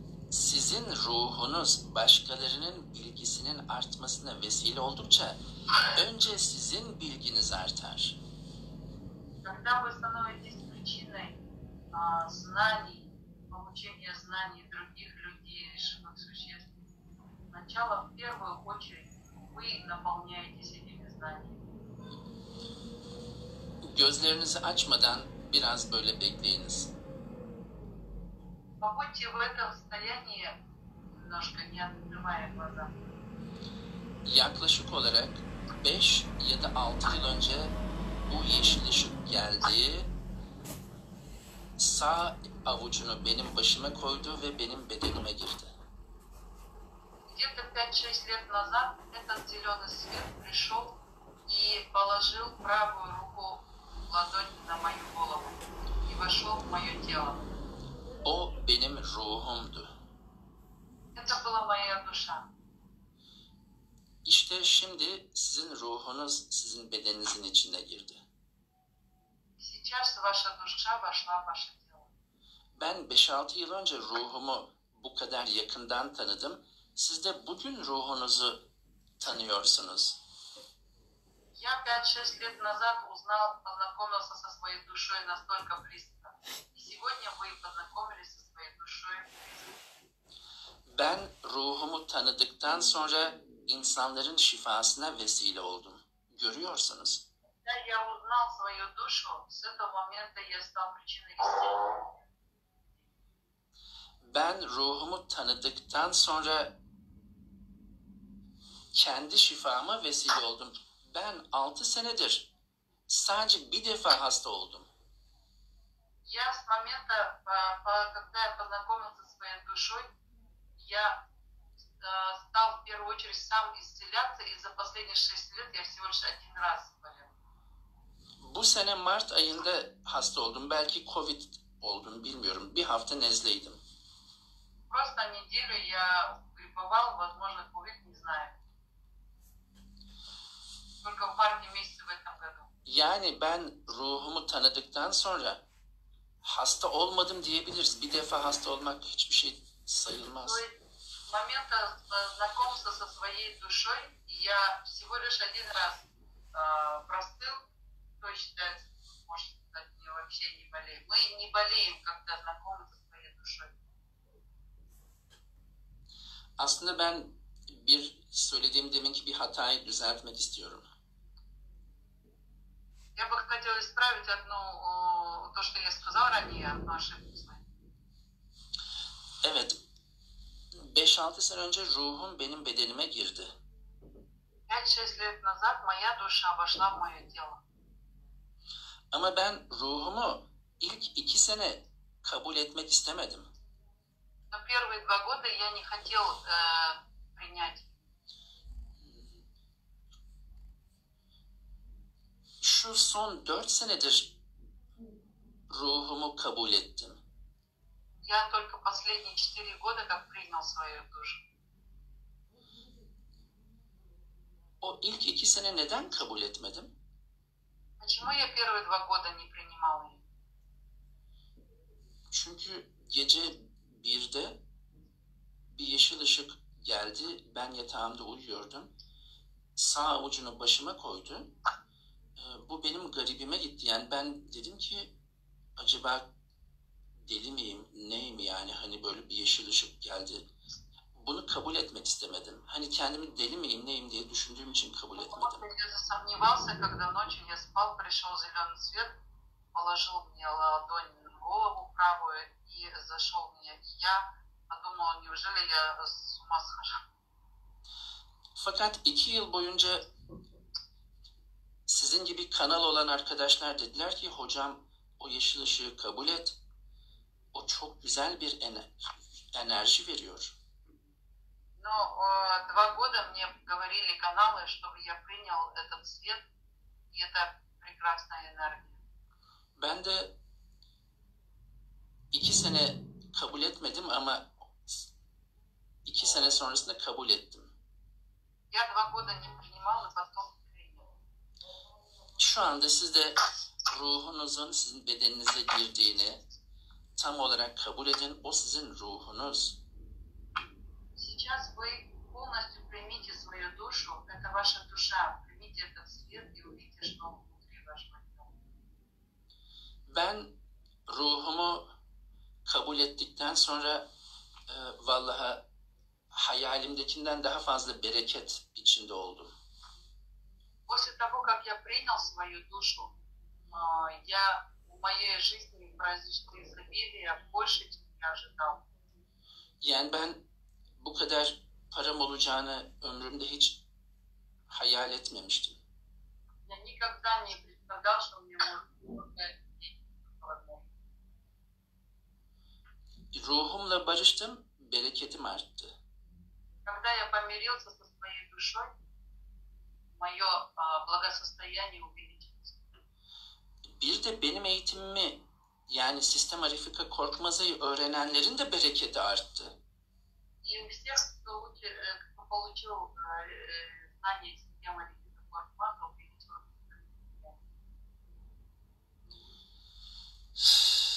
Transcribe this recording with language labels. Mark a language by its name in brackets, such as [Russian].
[Turkish] Sizin ruhunuz başkalarının bilgisinin artmasına vesile oldukça önce sizin bilginiz artar. [Russian] Когда вы становитесь причиной знаний, получения знаний других людей, живых существ, сначала в первую очередь вы наполняетесь этими знаниями. [Turkish] Gözlerinizi açmadan biraz böyle bekleyiniz. [Russian] Побудьте в этом состоянии, немножко не открывая глаза. [Turkish] Yaklaşık olarak 5 ya da 6 yıl önce bu yeşil ışık geldi. Sağ avucunu benim başıma koydu ve benim bedenime girdi. [Russian] Где-то 5-6 лет назад этот зеленый свет пришел и положил правую руку в ладонь на мою голову и вошел в мое тело. [Turkish] O benim ruhumdu. [Russian] Это была моя душа. [Turkish] İşte şimdi sizin ruhunuz sizin bedeninizin içine girdi. [Russian] Сейчас ваша душа вошла в ваше тело. [Turkish] Ben 5-6 yıl önce ruhumu bu kadar yakından tanıdım. Siz de bugün ruhunuzu tanıyorsunuz. [Russian] Я 5-6 лет назад узнал, познакомился со своей душой настолько близко. Сегодня вы познакомились со своей душой. [Turkish] Ben ruhumu tanıdıktan sonra insanların şifasına vesile oldum. Görüyorsunuz. [Russian] Когда я узнал свою душу, с этого момента я стал причиной исцеления. [Turkish] Ben ruhumu tanıdıktan sonra kendi şifama vesile oldum. Ben 6 senedir sadece bir defa hasta oldum. [Russian] Я с момента, когда я познакомился со своей душой, я стал в первую очередь сам исцеляться, и за последние 6 лет я всего лишь один раз болел. [Turkish] Bu sene Mart ayında hasta oldum, belki Covid oldum, bilmiyorum. Bir hafta nezleydim. [Russian] Просто неделю я грипповал, возможно, Covid, не знаю. Только в марте месяце в этом году. [Turkish] Yani ben ruhumu tanıdıktan sonra hasta olmadım diyebiliriz. Bir defa hasta olmak hiçbir şey sayılmaz. [Russian] Момента знакомства со своей душой я всего лишь один раз простыл, то считается, может, не вообще не болеем. Мы не болеем, когда знакомы со своей душой. [Turkish] Aslında ben bir söylediğim deminki bir hatayı düzeltmek istiyorum. [Russian] Я бы хотел исправить одну то, что я сказал ранее, но ошибку знаю. [Turkish] Evet. 5-6 sene önce ruhum benim bedenime girdi. [Russian] 5-6 lat назад моя душа вошла в моё тело. [Turkish] Ama ben ruhumu ilk 2 sene kabul etmek istemedim. [Russian] Но первые 2 года я не хотел принять. [Turkish] Şu son 4 senedir ruhumu kabul ettim. [Russian] Я только последние 4 года как принял свою душу. [Turkish] O ilk 2 sene neden kabul etmedim? [Russian] Почему я первые 2 года не принимал её? [Turkish] Çünkü gece 1'de bir yeşil ışık geldi. Ben yatağımda uyuyordum. Sağ avucunu başıma koydu. Bu benim garibime gitti. Yani ben dedim ki acaba deli miyim, neyim yani, hani böyle bir yeşil ışık geldi. Bunu kabul etmek istemedim. Hani kendimi deli miyim, neyim diye düşündüğüm için kabul etmedim. [Russian] Я засомневался, когда ночью я спал, пришел зеленый свет, положил мне ладонь на голову правую и зашел мне. Я подумал, неужели я с ума схожу? [Turkish] Fakat 2 yıl boyunca sizin gibi kanal olan arkadaşlar dediler ki hocam o yeşil ışığı kabul et. O çok güzel bir enerji veriyor. [Russian] Но 2 года мне говорили каналы, чтобы я принял этот свет, и это прекрасная энергия. [Turkish] Ben de 2 sene kabul etmedim ama 2 sene sonrasında kabul ettim. [Russian] Я 2 года не принимал, а потом. [Turkish] Şu anda siz de ruhunuzun sizin bedeninize girdiğini tam olarak kabul edin. O sizin ruhunuz. [Russian] Сейчас вы полностью примите свою душу. Это ваша душа. Примите этот свет и увидите, что внутри вашего. [Turkish] Ben ruhumu kabul ettikten sonra vallahi hayalimdekinden daha fazla bereket içinde oldum. [Russian] После того, как я принял свою душу, я в моей жизни произошло изобилие больше, чем я ожидал. [Turkish] Yani ben bu kadar param olacağını ömrümde hiç hayal etmemiştim. [Russian] Я никогда не предполагал, что у меня будет. [Turkish] Ruhumla barıştım, bereketim arttı. [Russian] Когда я помирился со своей душой, моё благосостояние увеличилось. [Turkish] Bir de benim eğitimimi, yani sistem Arifika Korkmaz'ı öğrenenlerin de bereketi arttı. [Russian] И у всех, кто получил знания системы Арифика Коркмаза, увеличилось.